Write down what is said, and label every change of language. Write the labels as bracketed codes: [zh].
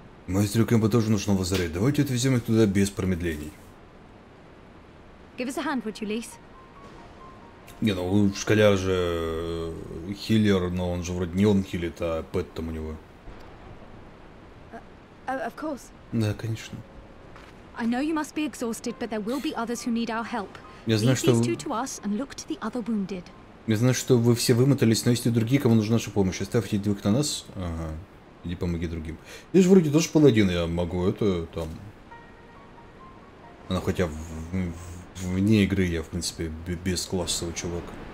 [ru] Мастеру Кэмпу тоже нужно лазарет. Давайте отвезем их туда без промедлений. [en] Give us a hand, would you, Lise? [ru] Не, ну шкаляр же хиллер, но он же вроде не он хилит, а пэт там у него. [en] Of course. [ru] Да, конечно. [en] I know you must be exhausted, but there will be others who need our help. [ru] Я знаю, что [en] these two to us and look to the other wounded. [ru] Я знаю, что вы все вымотались, но есть и другие, кому нужна наша помощь. Оставьте двух на нас. Ага. Иди помоги другим. Здесь же вроде тоже паладин, я могу это там. Ну, хотя вне игры я, в принципе, без классового чувака.